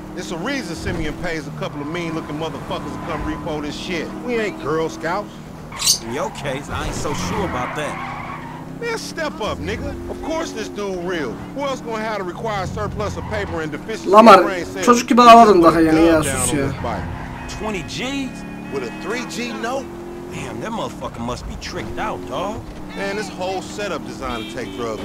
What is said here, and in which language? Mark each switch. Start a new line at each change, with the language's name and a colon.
English: It's a reason Simeon pays a couple of mean looking motherfuckers to come repo this shit. We ain't Girl Scouts. In your case, I ain't so sure about that. Man, step up, nigga. Of course this dude real. Who else gonna have to require a surplus of paper and deficiency?
Turkish: Lamar, çocuk gibi ağladın daha yani ya, sus ya.
English: 20 G's? With a 3G note? Damn, that motherfucker must be tricked out, dawg. Man, this whole setup designed to take drugs.